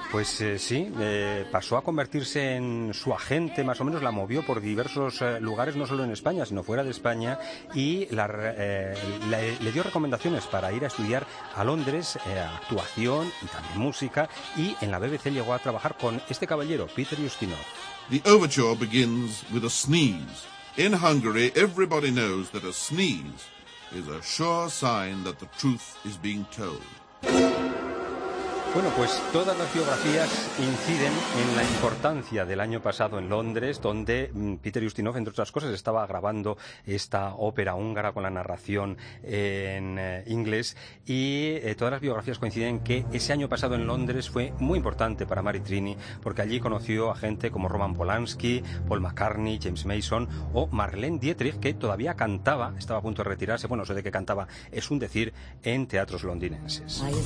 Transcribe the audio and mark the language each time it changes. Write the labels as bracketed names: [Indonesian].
[Spanish] Pues sí, pasó a convertirse en su agente, más o menos la movió por diversos lugares, no solo en España, sino fuera de España, y le dio recomendaciones para ir a estudiar a Londres, actuación y también música, y en la BBC llegó a trabajar con este caballero, Peter Ustinov. [English] The overture begins with a sneeze. In Hungary, everybody knows that a sneeze is a sure sign that the truth is being told. [Spanish] Bueno, pues todas las biografías inciden en la importancia del año pasado en Londres, donde Peter Ustinov, entre otras cosas, estaba grabando esta ópera húngara con la narración en inglés, y todas las biografías coinciden que ese año pasado en Londres fue muy importante para Maritrini, porque allí conoció a gente como Roman Polanski, Paul McCartney, James Mason o Marlene Dietrich, que todavía cantaba, estaba a punto de retirarse, bueno, eso de que cantaba es un decir, en teatros londinenses.